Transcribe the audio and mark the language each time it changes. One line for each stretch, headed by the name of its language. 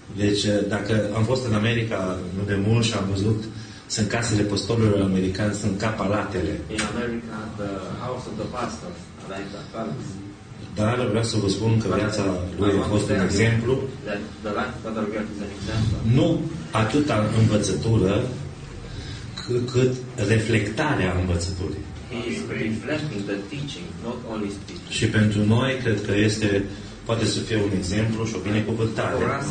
Romanian: Deci, dacă am fost în America nu de mult și am văzut, sunt casele pastorilor americani, sunt ca palatele.
English: In America, the house of the pastor, like the palace.
Romanian: Dar vreau să vă spun că viața lui a fost un exemplu.
English: The life of God is an example.
Romanian: Nu atâta învățătură, cât reflectarea învățăturii.
English: He is reflecting the teaching, not only speaking.
Romanian: Și pentru noi, cred că este... poate să fie un exemplu și o binecuvântare.